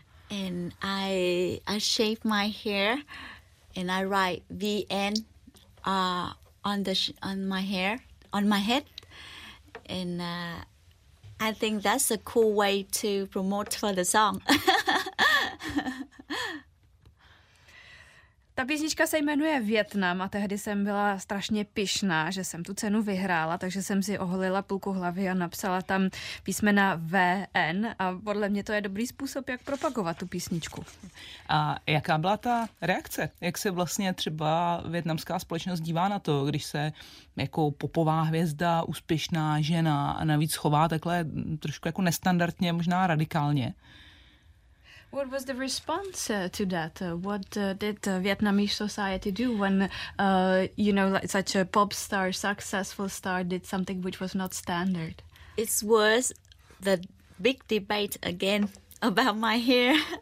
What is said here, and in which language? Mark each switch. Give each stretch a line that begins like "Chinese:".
English: And I shave my hair and I write VN on my head. And I think that's a cool way to promote for the song.
Czech: Ta písnička se jmenuje Vietnam a tehdy jsem byla strašně pyšná, že jsem tu cenu vyhrála, takže jsem si oholila půlku hlavy a napsala tam písmena VN, a podle mě to je dobrý způsob, jak propagovat tu písničku. A jaká byla ta reakce? Jak se vlastně třeba vietnamská společnost dívá na to, když se jako popová hvězda, úspěšná žena a navíc chová takhle trošku jako nestandardně, možná radikálně?
English: What was the response to that? What did the Vietnamese society do when, you know, like such a pop star, successful star did something which was not standard? It was the big debate again about my hair.